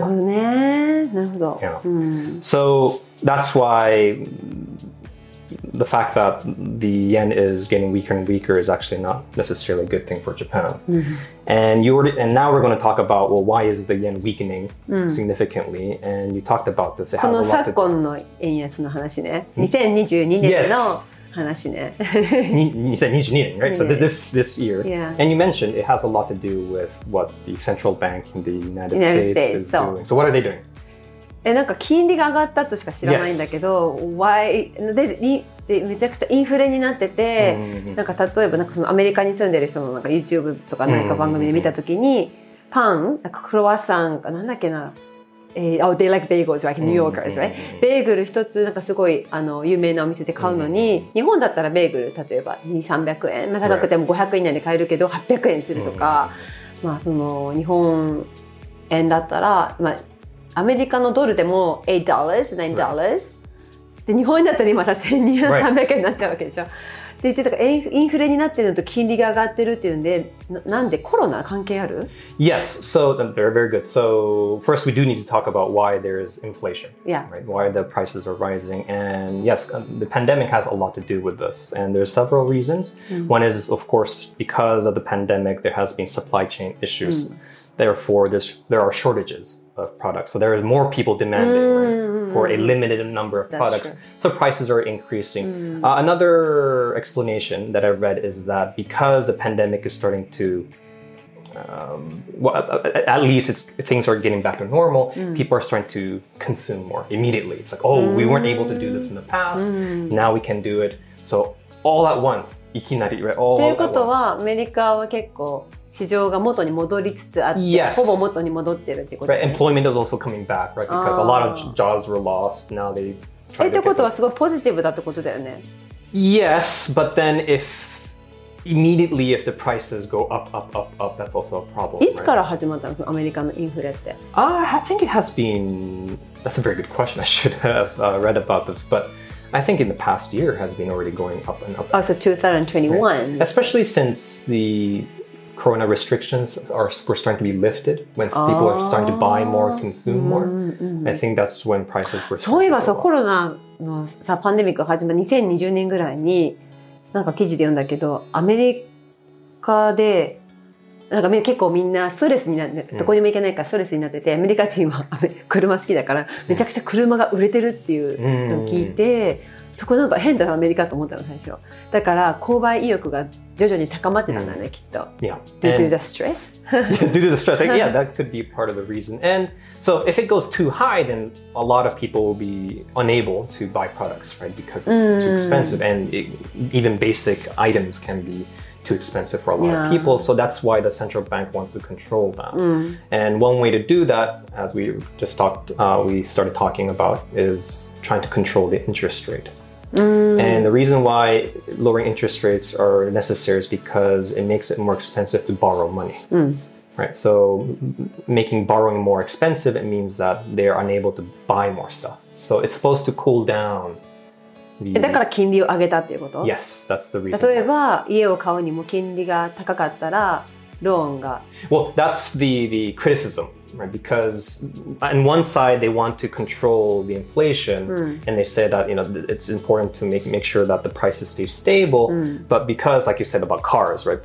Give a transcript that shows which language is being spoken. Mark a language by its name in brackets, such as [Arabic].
[Japanese] なるほどね。なるほど。 [English] So that's why the fact that the yen is getting weaker and weaker is actually not necessarily a good thing for Japan. Mm-hmm. And you were, and now we're going to talk about, well, why is the yen weakening significantly? And you talked about this. [Japanese] この昨今の円安の話ね。 2022年の話ね。 [English] 2022年, right? So this year. Yeah. And you mentioned it has a lot to do with what the central bank in the United States is so. Doing. So what are they doing? [Japanese] なんか金利が上がったとしか知らないんだけど、 [English] yes. [Japanese] Why? でめちゃくちゃインフレになってて、mm-hmm. なんか例えばなんかそのアメリカに住んでる人のなんか YouTube とか何か番組で見たときに、mm-hmm. パン、なんかクロワッサンかなんだっけな、 [English] oh, they like bagels, like New Yorkers, right? Mm-hmm. [Japanese] ベーグル一つなんかすごいあの有名なお店で買うのに、mm-hmm. 日本だったらベーグル例えば2、300円、まあ、高くても500円以内で買えるけど800円するとか、mm-hmm. まあその日本円だったら、まあアメリカのドルでも $8、$9、right. で日本だったら今さ1200、300円になっちゃうわけでしょ。で言ってたからインフレになってるのと金利が上がってるっていうんで、なんでコロナ関係ある [English] ？Yes, so they're very good. So first, we do need to talk about why there is inflation. Yeah. Right. Why the prices are rising. And yes, the pandemic has a lot to do with this. And there's several reasons.、Mm. One is, of course, because of the pandemic, there has been supply chain issues.、Mm. Therefore, there are shortages. Of products. So there is more people demanding mm-hmm. right, for a limited number of、 That's、 products.、 True. So prices are increasing.、Mm-hmm. Another explanation that I read is that because the pandemic is starting to,、well, at least it's, things are getting back to normal,、mm-hmm. people are starting to consume more immediately. It's like, oh,、mm-hmm. we weren't able to do this in the past,、mm-hmm. now we can do it. So all at once, [Japanese] いきなり、 [English] right? all at once. [Japanese] ということはアメリカは結構市場が元に戻りつつあって、 [English] yes. [Japanese] ほぼ元に戻ってるってこと、 [English] right. Employment is also coming back, right? Because a lot of jobs were lost. Now they try to [Japanese] ってことはすごいポジティブだってことだよね。 [English] Yes, but then if immediately if the prices go up, up, up, up, that's also a problem. [Japanese] いつから始まったの、そのアメリカのインフレって。 [English] I think it has been... That's a very good question. I should have、read about this, but... I think in the past year has been already going up and up. Oh, so 2021. Right. Especially since the corona restrictions were starting to be lifted, when、oh. people are starting to buy more, consume more.、Mm-hmm. I think that's when prices were starting to go up. [Japanese] そういえばコロナのさパンデミック始まった2020年ぐらいになんか記事で読んだけど、アメリカでなんか結構みんなストレスになって、どこにも行けないからストレスになってて、アメリカ人は車好きだからめちゃくちゃ車が売れてるっていうのを聞いて、そこなんか変だなアメリカと思ったの最初。だから購買意欲が徐々に高まってたんだね、きっと。 [English] Yeah. Due to the stress? Due to the stress. Yeah, that could be part of the reason. And so if it goes too high, then a lot of people will be unable to buy products, right? Because it's too expensive. And even basic items can be... too expensive for a lot、yeah. of people. So that's why the central bank wants to control that.、Mm. And one way to do that, as we just talked,、we started talking about, is trying to control the interest rate.、 Mm. And the reason why lowering interest rates are necessary is because it makes it more expensive to borrow money.、 Mm. Right. So making borrowing more expensive, it means that they're unable to buy more stuff. So it's supposed to cool down [Japanese] だから金利を上げたっていうこと [English] Yes, that's the reason. [Japanese] 例えば家を買うにも金利が高かったらローンが [English] Well, that's the criticism, right? Because on one side, they want to control the inflation、うん、and they say that, you know, it's important to make sure that the prices stay stable、うん、but because, like you said about cars, right?